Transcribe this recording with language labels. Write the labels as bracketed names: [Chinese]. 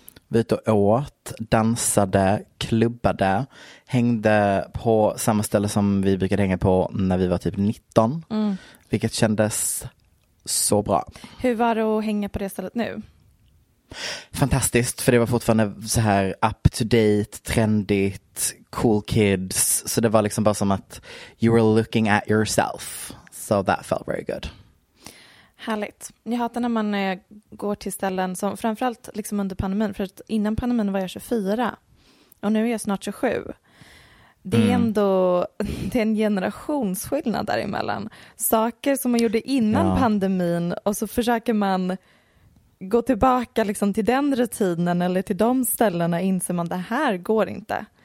[Swedish] Vi ut och åt, dansade, klubbade, hängde på samma ställe som vi brukade hänga på när vi var typ 19. Mm. Vilket kändes så bra. Hur var det att hänga på det stället nu? Fantastiskt, för det var fortfarande så här [English] up to date, [Swedish] trendigt, [English] cool kids. [Swedish] Så det var liksom bara som att [English] you were looking at yourself. So that felt very good. [Swedish] Härligt. Jag hatar när man går till ställen som framförallt liksom under pandemin, för att innan pandemin var jag 24 och nu är jag snart 27. Det är ändå det är en generationsskillnad däremellan. Saker som man gjorde innan pandemin och så försöker man gå tillbaka liksom till den rutinen eller till de ställena, inser man det här går inte.